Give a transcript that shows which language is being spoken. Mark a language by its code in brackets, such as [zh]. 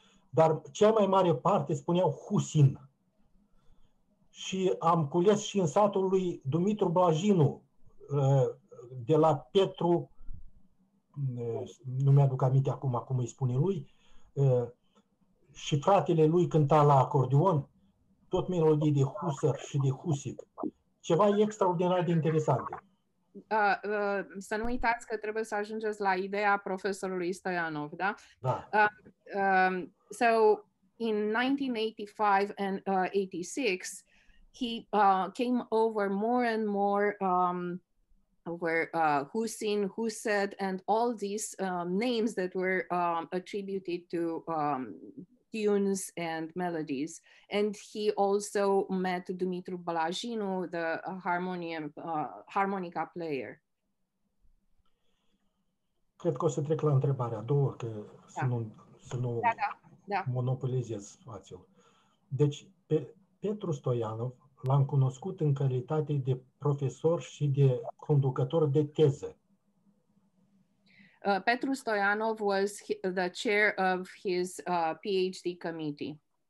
[ro] Dar cea mai mare parte spuneau Husin. Și am cules și în satul lui Dumitru Blajinu, de la Petru, nu mi-aduc aminte acum cum îi spune lui, și fratele lui cânta la acordeon, tot melodii de Husăr și de Husic. Ceva extraordinar de interesante. Să nu uitați că trebuie să ajungeți la ideea profesorului Stoianov, da? Da. [en] So, in 1985 and 86, he came over more and more over Husin, Huset, and all these names that were attributed to tunes and melodies. And he also met Dumitru Blajinu, the harmonica player. [ro] Cred că o să trec la întrebarea a doua, că să nu monopolizez spațiul. Deci, Petru Stoianov l-am cunoscut în calitate de profesor și de conducător de teză. [en] Petru Stoianov was the chair of his PhD committee.